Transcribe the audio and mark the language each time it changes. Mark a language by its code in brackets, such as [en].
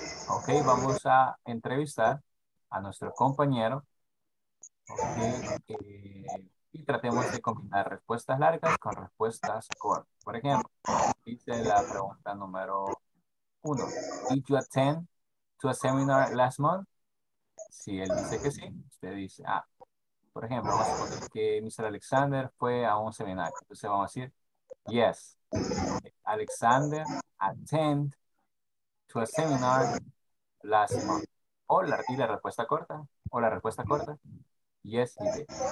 [es] Ok, vamos a entrevistar a nuestro compañero. Okay, y tratemos de combinar respuestas largas con respuestas cortas. Por ejemplo, dice la pregunta número 1. [en] Did you attend to a seminar last month? [es] Si él dice que sí, usted dice, ah, por ejemplo, vamos a poner que Mr. Alexander fue a un seminario. Entonces vamos a decir, [en] yes, Alexander attend to a seminar last month. [es] O la, y la respuesta corta, o la respuesta corta, [en] yes, he did.